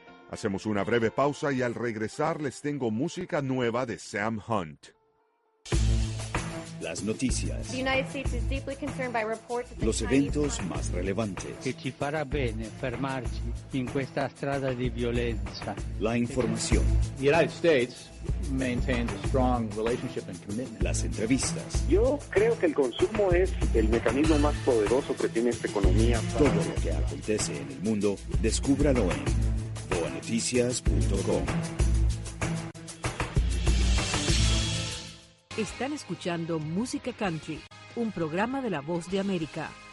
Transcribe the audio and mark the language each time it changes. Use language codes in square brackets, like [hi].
[es] Hacemos una breve pausa y al regresar les tengo música nueva de Sam Hunt. Las noticias. [en] The United States is deeply concerned by reports of the [es] los eventos [en] Chinese [es] más relevantes. [it] Que ci farà bene fermarci in questa strada di violenza. [es] La información. [en] The United States maintains a strong relationship and commitment. [es] Las entrevistas. Yo creo que el consumo es el mecanismo más poderoso que tiene esta economía. Todo lo que acontece en el mundo, descúbralo en boanoticias.com. Están escuchando Música Country, un programa de La Voz de América.